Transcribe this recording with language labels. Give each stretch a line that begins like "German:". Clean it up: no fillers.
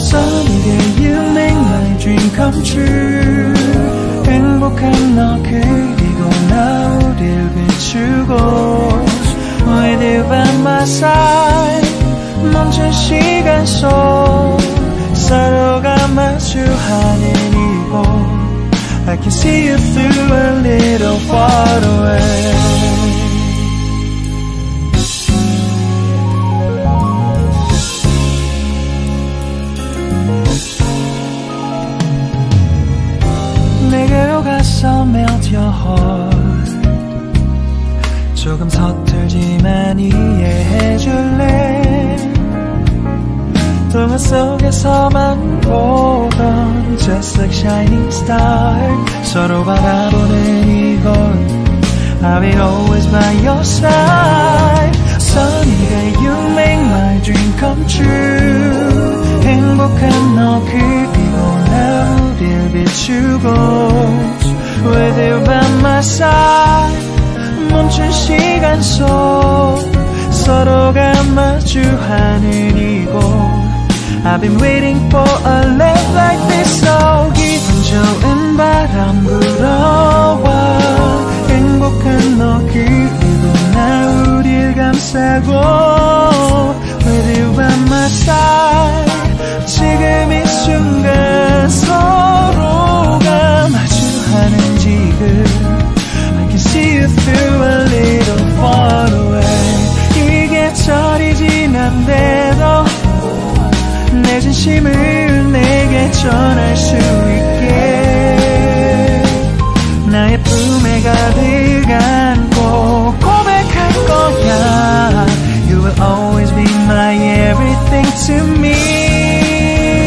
English: Sunny day you make my dream come true.
Korean: 행복한 너 그리고 나 우릴 비추고.
English: With you by my side.
Korean: 멈춘 시간 속 서로가 마주하는 이곳.
English: I can see you through a little far away.
Korean: 내게로 가서
English: melt your heart.
Korean: 조금 서툴지만 이해해줄래. 동화 속에서만 보던
English: just like shining star.
Korean: 서로 바라보는 이곳
English: I'll be always by your side. Sunny day you make my dream come true.
Korean: 행복한 너 그리고 나 우릴 비추고.
English: With you by my side.
Korean: 멈춘 시간 속 서로가 마주하는 이곳.
English: I've been waiting for a love like this. So
Korean: 기분 좋은 바람 불어와. 행복한 너 그리고 나 우릴 감싸고.
English: With you by my side.
Korean: 지금 이 순간 서로가 마주하는 지금.
English: I can see you through a little far away.
Korean: 이 계절이 지난데도 내 진심을 내게 전할 수 있게. 나의 품에 가득 안고 고백할 거야.
English: You will always be my everything to me.